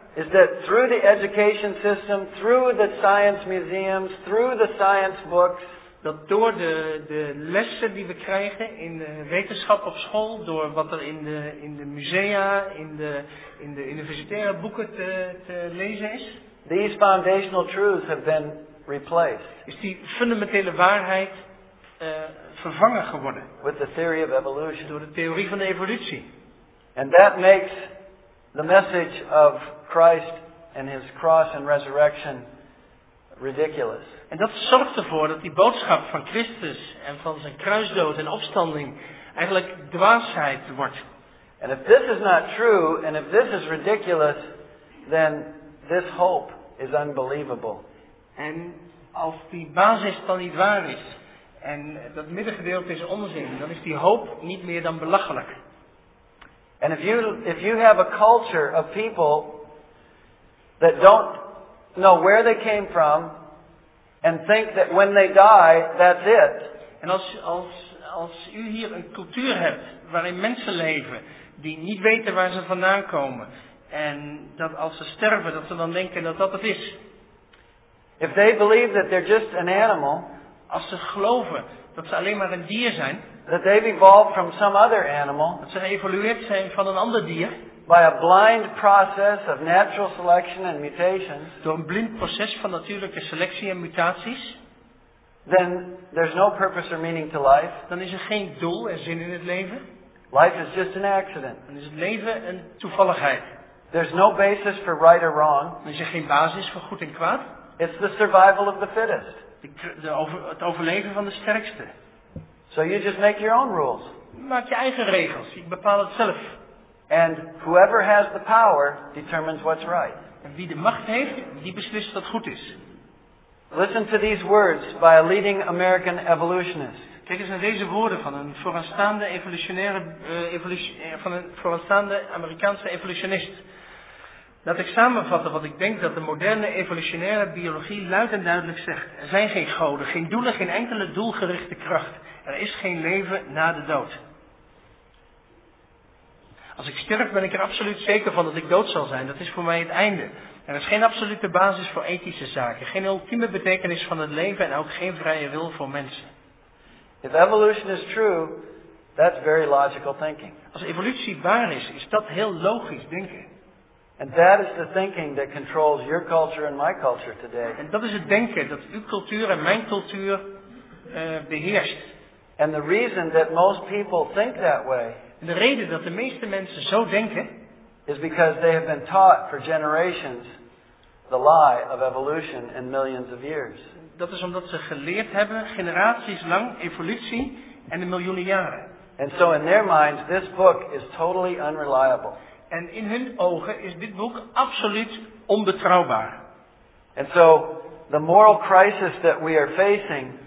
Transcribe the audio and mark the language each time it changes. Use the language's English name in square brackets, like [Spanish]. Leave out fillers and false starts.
[English] Is that through the education system, through the science museums, through the science books? [Dutch] Dat door de lessen die we krijgen in de wetenschap op school, door wat er in de musea, in de universitaire boeken te lezen is. [English] These foundational truths have been replaced. [Dutch] Is die fundamentele waarheid vervangen geworden. [English] With the theory of evolution. [Dutch] Door de theorie van de evolutie. [English] And that makes the message of Christ and his cross and resurrection ridiculous. [Dutch] En dat zorgt ervoor dat die boodschap van Christus en van zijn kruisdood en opstanding eigenlijk dwaasheid wordt. [English] And if this is not true and if this is ridiculous, then this hope is unbelievable. [Dutch] En als die basis dan niet waar is en dat middengedeelte is onzin, dan is die hoop niet meer dan belachelijk. [English] And if you have a culture of people that don't know where they came from. And think that when they die, that's it. [Dutch] En als u hier een cultuur hebt waarin mensen leven die niet weten waar ze vandaan komen, en dat als ze sterven dat ze dan denken dat dat het is. [English] If they believe that they're just an animal, [Dutch] als ze geloven dat ze alleen maar een dier zijn, [English] that they've evolved from some other animal, [Dutch] dat ze geëvolueerd zijn van een ander dier. [English] By a blind process of natural selection and mutations. [Dutch] Door een blind proces van natuurlijke selectie en mutaties. [English] Then there's no purpose or meaning to life. [Dutch] Dan is er geen doel en zin in het leven. [English] Life is just an accident. [Dutch] Dan is het leven een toevalligheid. [English] There's no basis for right or wrong. [Dutch] Er is geen basis voor goed en kwaad. [English] It's the survival of the fittest. [Dutch] Het overleven van de sterkste. [English] So you just make your own rules. [Dutch] Maak je eigen regels. Ik bepaal het zelf. [English] And whoever has the power determines what's right. [Dutch] En wie de macht heeft, die beslist wat goed is. [English] Listen to these words by a leading American evolutionist. [Dutch] Kijk eens naar deze woorden van een vooraanstaande Amerikaanse evolutionist. Laat ik samenvatten wat ik denk dat de moderne evolutionaire biologie luid en duidelijk zegt. Er zijn geen goden, geen doelen, geen enkele doelgerichte kracht. Er is geen leven na de dood. Als ik sterf ben ik er absoluut zeker van dat ik dood zal zijn. Dat is voor mij het einde. Er is geen absolute basis voor ethische zaken. Geen ultieme betekenis van het leven en ook geen vrije wil voor mensen. [English] If evolution is true, that's very logical thinking. [Dutch] Als evolutie waar is, is dat heel logisch denken. [English] And that is the thinking that controls your culture and my culture today. [Dutch] En dat is het denken dat uw cultuur en mijn cultuur beheerst. [English] And the reason that most people think that way. [Dutch] En de reden dat de meeste mensen zo denken [English] is because they have been taught for generations the lie of evolution in millions of years. [Dutch] Dat is omdat ze geleerd hebben generaties lang evolutie en de miljoenen jaren. [English] And so in their minds this book is totally unreliable. [Dutch] En in hun ogen is dit boek absoluut onbetrouwbaar. [English] And so the moral crisis that we are facing,